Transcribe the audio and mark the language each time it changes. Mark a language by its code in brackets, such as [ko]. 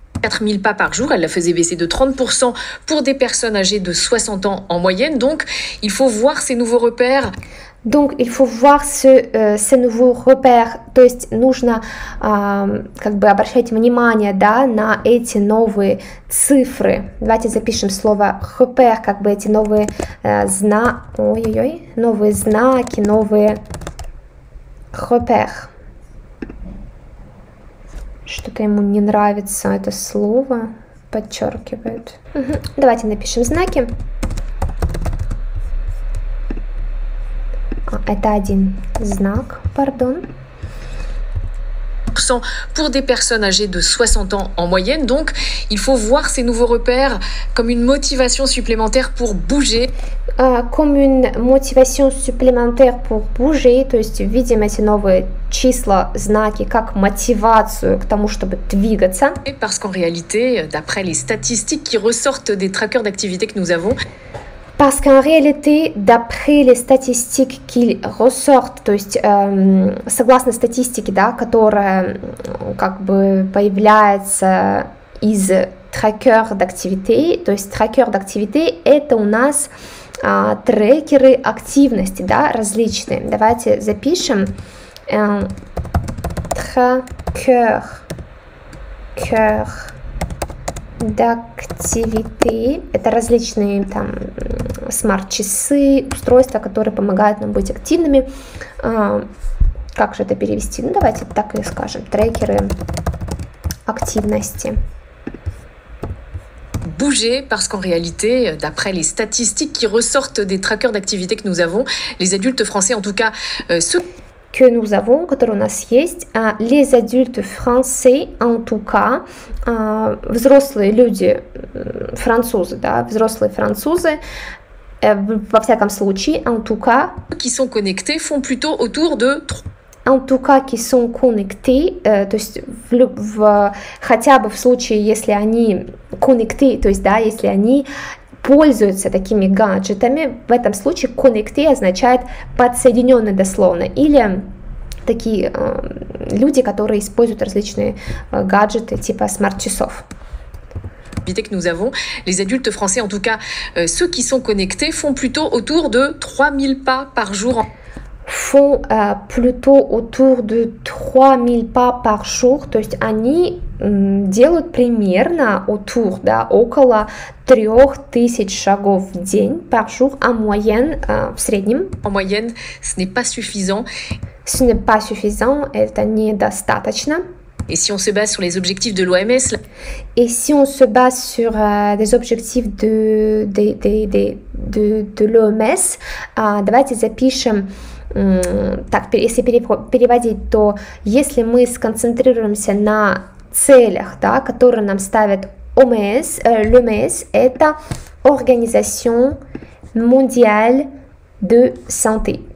[fr] 4000 pas par jour, elle la faisait baisser de 30% pour des personnes âgées de 60 ans en moyenne. Donc, il faut voir ces nouveaux repères. Donc, il faut voir ce nouveau repère. [ru] То есть, нужно как бы обращать внимание, да, на эти новые цифры. Давайте запишем слово repère, как бы эти новые ой-ой-ой, новые знаки, новые repère. Что-то ему не нравится это слово, подчеркивает. Давайте напишем знаки. Это один знак, пардон. [fr] Pour des personnes âgées de 60 ans en moyenne, donc il faut voir ces nouveaux repères comme une motivation supplémentaire pour bouger. Comme une motivation supplémentaire pour bouger, [ru] то есть видим эти новые числа, знаки, как мотивацию к тому, чтобы двигаться. [fr] Et parce qu'en réalité, d'après les statistiques qui ressortent des trackers d'activité que nous avons, Parce qu'en réalité, d'après les statistiques qu'ils ressortent, [ru] то есть согласно статистике, да, которая как бы появляется из трекер d'activité, то есть трекер d'activité, это у нас трекеры активности, да, различные. Давайте запишем трекер d'activité. Это различные там смарт-часы, устройства, которые помогают нам быть активными. Как же это перевести? Ну, давайте так и скажем. Трекеры активности. [fr] Bouger parce qu'en réalité, d'après les statistiques qui ressortent des trackers d'activité que nous avons, les adultes français, en tout cas, ceux que nous avons, [ru] которые у нас есть, [fr] les adultes français, en tout cas, [ru] взрослые люди, французы, да, взрослые французы, во всяком случае, en tout cas, [fr] qui sont connectés font plutôt autour de en tout cas, qui sont connectés, [ru] то есть, хотя бы в случае, если они connectés, то есть, да, если они пользуются такими гаджетами, в этом случае connecté означает подсоединенный дословно, или такие люди, которые используют различные гаджеты типа смарт-часов. [fr] Que nous avons, les adultes français, en tout cas ceux qui sont connectés, font plutôt autour de 3000 pas par jour. Font plutôt autour de 3000 pas par jour, [ru] то есть они делают примерно autour, да, около 3000 шагов в день, [fr] par jour, en moyenne, [ru] в среднем. [fr] En moyenne, ce n'est pas suffisant. Ce n'est pas suffisant, [ru] это недостаточно. [fr] Et si on se base sur les objectifs de l'OMS, Et si on se base sur des objectifs de l'OMS, [ru] давайте запишем, так, если переводить, то если мы сконцентрируемся на целях, да, которые нам ставят ОМС, l'OMS, это Organisation Mondiale de Santé.